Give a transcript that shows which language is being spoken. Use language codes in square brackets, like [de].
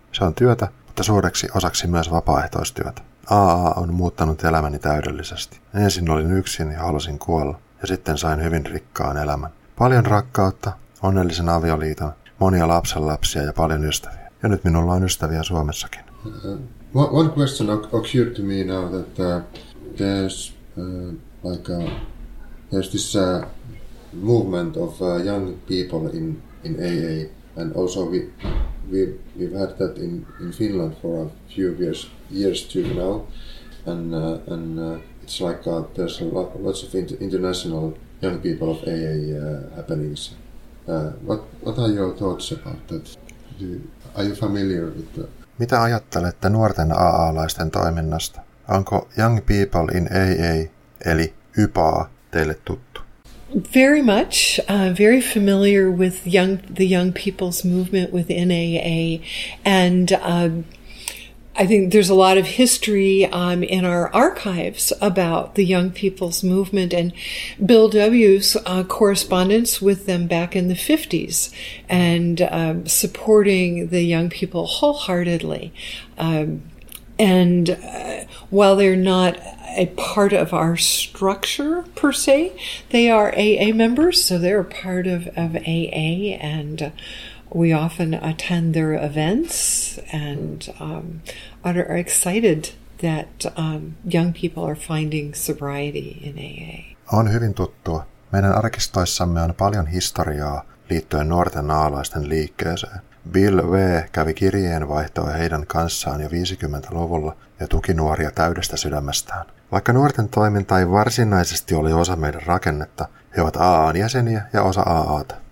[fi] Se on työtä, mutta suureksi osaksi myös vapaaehtoistyötä. AA on muuttanut elämäni täydellisesti. Ensin olin yksin ja halusin kuolla, ja sitten sain hyvin rikkaan elämän. Paljon rakkautta, onnellisen avioliiton, monia lapsenlapsia ja paljon ystäviä. Ja nyt minulla on ystäviä Suomessakin. [en] One question occurred to me now that there's this movement of young people in AA, and also we've had that in Finland for a few years too now, and it's like there's lots of international young people of AA happenings. What are your thoughts about that? Are you familiar with that? [fi] Mitä ajattelette nuorten AA-laisten toiminnasta? Onko Young People in AA, eli YPAA, teille tuttu? [en] Very much, very familiar with the young people's movement within AA, and I think there's a lot of history in our archives about the young people's movement and Bill W's correspondence with them back in the 50s and supporting the young people wholeheartedly. While they're not a part of our structure per se, they are AA members, so they're a part of AA, and we often attend their events and are excited that young people are finding sobriety in AA. [fi] On hyvin tuttua. Meidän arkistoissamme on paljon historiaa liittyen nuorten aalaisten liikkeeseen. Bill V. kävi kirjeenvaihtoa heidän kanssaan jo 50-luvulla ja tuki nuoria täydestä sydämestään. Vaikka nuorten toiminta ei varsinaisesti ole osa meidän rakennetta, he ovat AA:n jäseniä ja osa AA:ta.